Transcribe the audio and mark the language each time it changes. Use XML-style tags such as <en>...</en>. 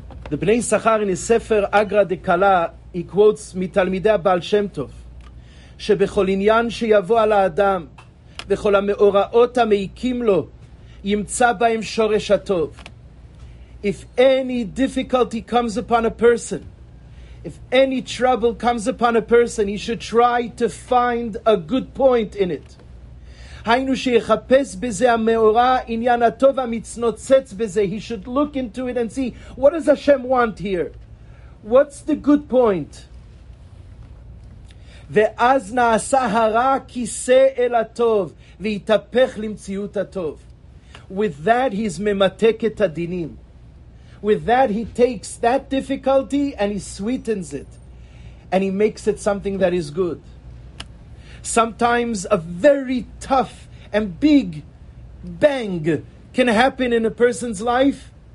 <en>The Bnei Sakhar in his Sefer Agra de Kala, he quotes Mitalmidei Baal Shem Tov,</en> <he>שבכל עניין שיבוא על האדם, וכל המאורעות המעיקים לו, ימצא בהם שורש הטוב.</he> <en>If any difficulty comes upon a person, if any trouble comes upon a person, he should try to find a good point in it.</en> <he>היינו שיחפש בזה המאורע, עניין הטוב המצנוצץ בזה.</he> <en>He should look into it and see, what does Hashem want here? What's the good point?</en> <he>ואז נעשה הרע כיסא אל הטוב, והתהפך למציאות הטוב.</he> <en>With that, he's</en> <he>ממתק את הדינים.</he> <en>With that, he takes that difficulty and he sweetens it. And he makes it something that is good. Sometimes a very tough and big bang can happen in a person's life.</en>